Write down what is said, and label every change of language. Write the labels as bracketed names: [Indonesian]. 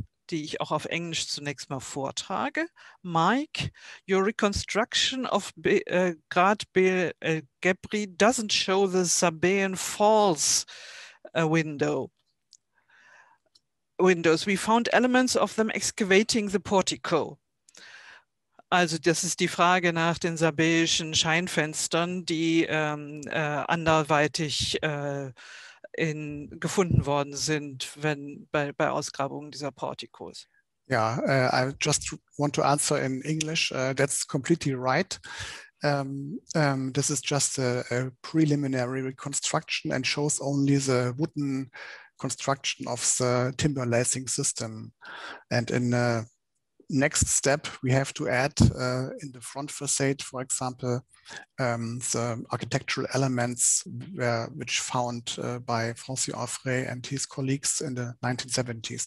[German] Die ich auch auf Englisch zunächst mal vortrage. [English] Mike, your reconstruction of Grad Bealgebri doesn't show the Sabaean Falls windows. We found elements of them excavating the portico. [German] Also das ist die Frage nach den sabäischen Scheinfenstern, die anderweitig gefunden worden sind, wenn bei Ausgrabungen dieser Portikos. [English] Ja, I just want to answer in English. That's completely right. This is just a preliminary reconstruction and shows only the wooden construction of the timber lacing system. And in the next step, we have to add in the front facade, for example, the architectural elements which found by Francis Offray and his colleagues in the 1970s.